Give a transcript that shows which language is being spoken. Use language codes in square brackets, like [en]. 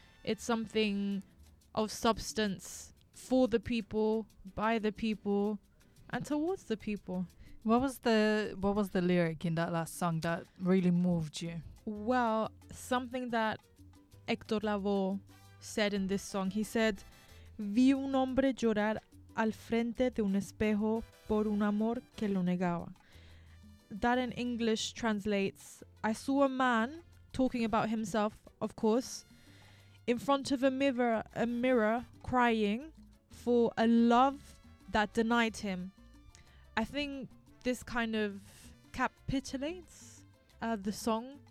[en] It's something of substance for the people, by the people, and towards the people. What was the lyric in that last song that really moved you? Well, something that Héctor Lavoe said in this song. He said, [es] vi un hombre llorar al frente de un espejo por un amor que lo negaba. [en] That in English translates, I saw a man, talking about himself, of course, in front of a mirror, crying for a love that denied him. I think this kind of capitulates the song.